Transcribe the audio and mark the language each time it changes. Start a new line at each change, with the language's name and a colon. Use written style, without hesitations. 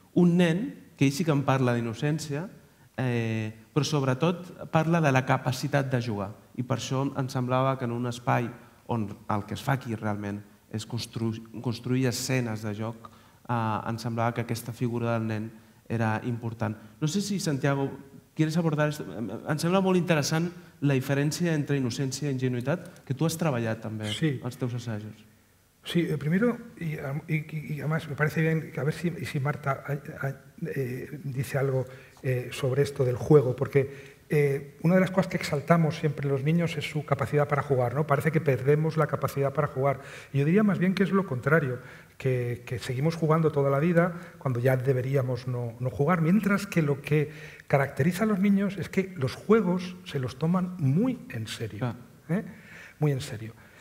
Catalan: Un nen, que ell sí que en parla d'innocència, però sobretot parla de la capacitat de jugar. I per això em semblava que en un espai on el que es fa aquí realment és construir escenes de joc, em semblava que aquesta figura del nen era important.
Spanish: No sé si, Santiago, quieres abordar esto.
Catalan: Em sembla molt interessant la diferència entre innocència i ingenuïtat, que tu has treballat també sí. Els teus assajos.
Spanish: Sí, primero, y además me parece bien, a ver si Marta dice algo sobre esto del juego, porque una de las cosas que exaltamos siempre los niños es su capacidad para jugar, ¿no? Parece que perdemos la capacidad para jugar. Yo diría más bien que es lo contrario, que seguimos jugando toda la vida cuando ya deberíamos no jugar, mientras que lo que caracteriza a los niños es que los juegos se los toman muy en serio. Muy en serio.